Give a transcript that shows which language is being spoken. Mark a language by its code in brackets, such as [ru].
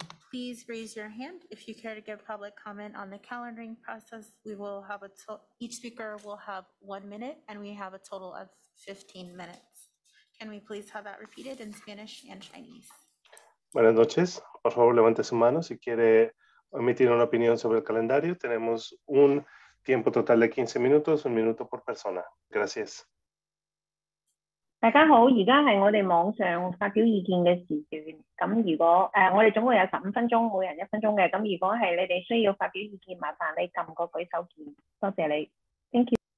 [en] Please raise your hand if you care to give public comment on the calendaring process. We will have each speaker will have 1 minute, and we have a total of 15 minutes. Can we please have that repeated in Spanish and Chinese? [es] Buenas noches. Por favor, levante su mano si quiere emitir una opinión sobre el calendario. Tenemos un tiempo total de 15 minutos, un minuto por persona. Gracias. [zh] 大家好,現在是我們網上發表意見的時間,如果我們總共有15分鐘,每人1分鐘的,如果是你需要發表意見,麻煩你按個舉手鍵,多謝你, [en] thank you.